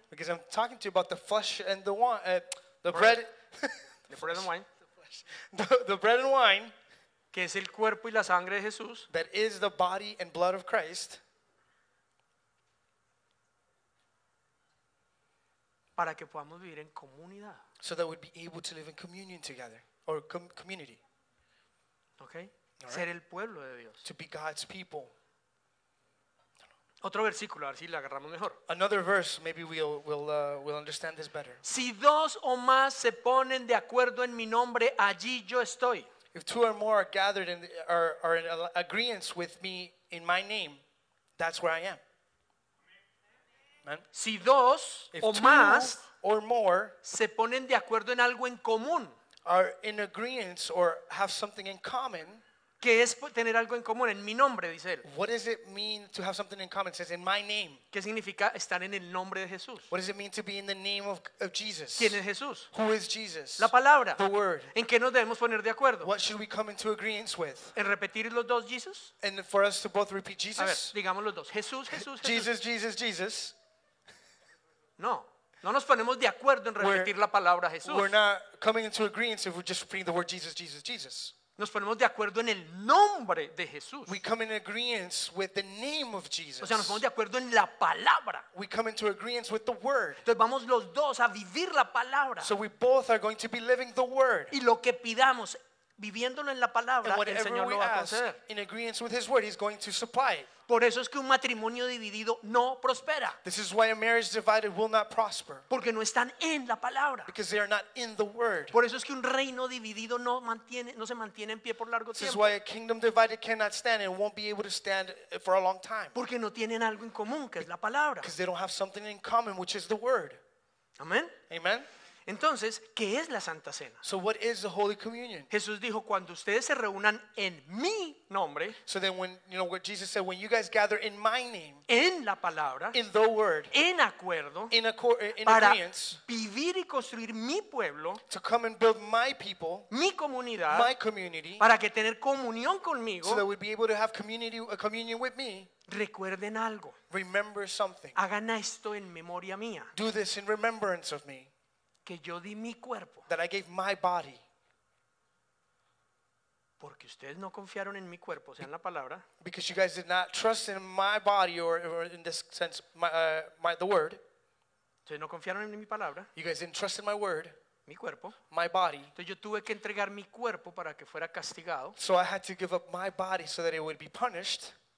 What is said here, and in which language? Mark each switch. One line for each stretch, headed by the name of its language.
English: Because I'm talking to you about the flesh and the wine, the bread. The bread and wine. The bread and wine,
Spanish: que es el cuerpo y la sangre de Jesús.
English: That is the body and blood of Christ.
Spanish: Para que podamos vivir en comunidad.
English: So that we'd be able to live in communion together or community.
Spanish: Okay. Right. Ser el pueblo de Dios.
English: To be God's people.
Spanish: Otro versículo, a ver si lo agarramos mejor.
English: Another verse, maybe we'll understand this better.
Spanish: Si dos o más se ponen de acuerdo en mi nombre, allí yo estoy.
English: If two or more are gathered and are in agreement with me in my name, that's where I am.
Spanish: Amen. Si dos
English: if
Spanish: o más
English: or more
Spanish: se ponen de acuerdo en algo en común,
English: are in agreement or have something in common.
Spanish: ¿Qué es tener algo en común en mi nombre, dice él?
English: What does it mean to have something in common? It says in my name.
Spanish: ¿Qué significa estar en el nombre de Jesús?
English: What does it mean to be in the name of Jesus?
Spanish: ¿Quién es Jesús?
English: Who is Jesus?
Spanish: La palabra.
English: The word.
Spanish: ¿En qué nos debemos poner de acuerdo?
English: What should we come into agreement with?
Spanish: ¿En repetir los dos Jesús?
English: And for us to both repeat Jesus?
Spanish: A ver, digamos los dos. Jesús, Jesús, Jesús.
English: Jesus, Jesus, Jesus.
Spanish: No. No nos ponemos de acuerdo en repetir la palabra Jesús.
English: We're not coming into agreement if we're just repeating the word Jesus, Jesus, Jesus.
Spanish: Nos ponemos de acuerdo en el nombre de Jesús.
English: We come in agreement with the name of Jesus.
Spanish: O sea, nos ponemos de acuerdo en la palabra.
English: We come into agreement with the word.
Spanish: Entonces vamos los dos a vivir la palabra.
English: So we both are going to be living the word.
Spanish: Y lo que pidamos viviéndolo en la palabra,
English: and whatever
Spanish: el Señor
English: we
Spanish: lo va a
English: ask
Spanish: conceder.
English: In agreement with his word, he's going to supply it.
Spanish: Por eso es que un matrimonio dividido no prospera.
English: This is why a marriage divided will not prosper.
Spanish: Porque no están en la palabra.
English: Because they are not in the word.
Spanish: Por eso es que un reino dividido no se mantiene en pie por largo
English: this
Spanish: tiempo.
English: This is why a kingdom divided cannot stand and won't be able to stand for a long time.
Spanish: Porque no tienen algo en común, que es la palabra.
English: Because they don't have something in common, which is the word. Amen. Amen.
Spanish: Entonces, ¿qué es la Santa Cena?
English: So what is the Holy Communion?
Spanish: Jesús dijo, cuando ustedes se reúnan en mi nombre,
English: so then when, you know, what Jesus said, when you guys gather in my name,
Spanish: en la palabra,
English: in the word,
Spanish: en acuerdo,
English: in
Spanish: para
English: agreement,
Spanish: vivir y construir mi pueblo,
English: to come and build my people,
Spanish: mi comunidad,
English: my community,
Spanish: para que tener comunión conmigo,
English: so that we'd be able to have community, a communion with me,
Spanish: recuerden algo.
English: Remember something.
Spanish: Hagan esto en memoria mía.
English: Do this in remembrance of me.
Spanish: Que yo di mi cuerpo.
English: That I gave my body.
Spanish: Porque ustedes no confiaron en mi cuerpo, sea en la palabra.
English: Because you guys did not trust in my body or in this sense the word.
Spanish: Ustedes no confiaron en mi palabra.
English: You guys didn't trust in my word.
Spanish: Mi cuerpo.
English: My body.
Spanish: Entonces yo tuve que entregar mi cuerpo para que fuera castigado.
English: So I had to give up my body so that it would be punished.